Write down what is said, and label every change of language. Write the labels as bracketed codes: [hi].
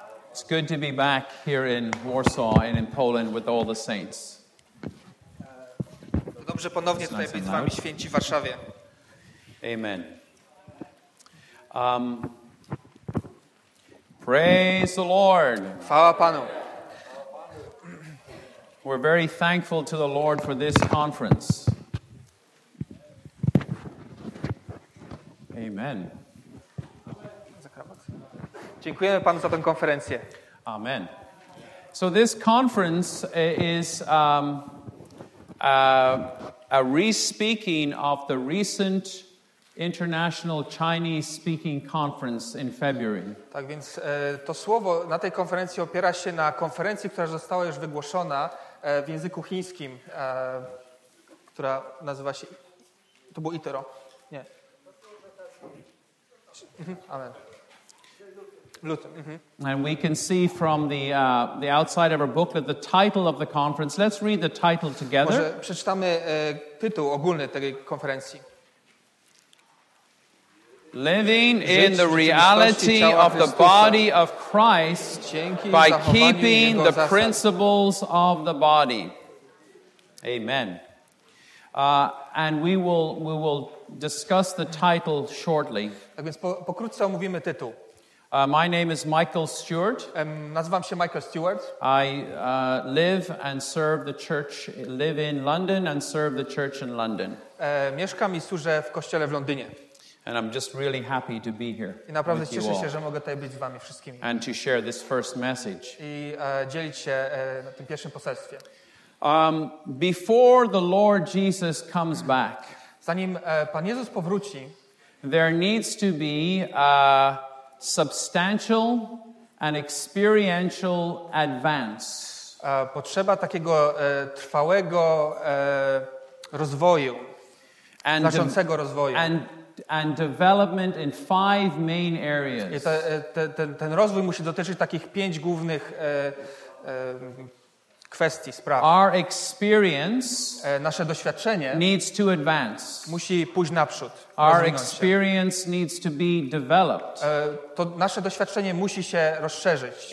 [en] It's good to be back here in Warsaw and in Poland with all the saints. [pl] Dobrze ponownie tutaj być z wami, święci w Warszawie. Amen. [en] Praise the Lord. [pl] Chwała Panu. [en] We're very thankful to the Lord for this conference. Amen. [pl] Dziękujemy Panu za tę konferencję. Amen. [en] So this conference is a re-speaking of the recent International Chinese Speaking Conference in February. [pl] Tak więc to słowo na tej konferencji opiera się na konferencji, która została już wygłoszona w języku chińskim, która nazywa się... To było ITERO. Nie. Amen. [en] And we can see from the outside of our booklet the title of the conference. Let's read the title together. [pl] Może przeczytamy tytuł ogólny tej konferencji. [en] Living in the reality of the body of Christ by keeping the principles of the body. Amen. And we will discuss the title shortly. [pl] Tak więc pokrótce omówimy tytuł. [en] My name is Michael Stewart. [pl] Nazywam się Michael Stewart. [en] I live and serve the church, live in London and serve the church in London. [pl] Mieszkam i służę w kościele w Londynie. [en] And I'm just really happy to be here. [pl] I naprawdę cieszę się, że mogę tutaj być z wami wszystkimi. [en] And to share this first message. [pl] I dzielić się na tym pierwszym poselstwie. [en] Before the Lord Jesus comes back. [pl] Zanim Pan Jezus powróci, [en] there needs to be substantial and experiential advance. [pl] Potrzeba takiego trwałego rozwoju, znaczącego rozwoju. [en] And development in five main areas. [pl] I ten rozwój musi dotyczyć takich pięć głównych kwestii, spraw. [en] Our experience, [pl] nasze doświadczenie, [en] needs to advance. [pl] Musi pójść naprzód. [en] Our experience needs to be developed. [pl] To nasze doświadczenie musi się rozszerzyć.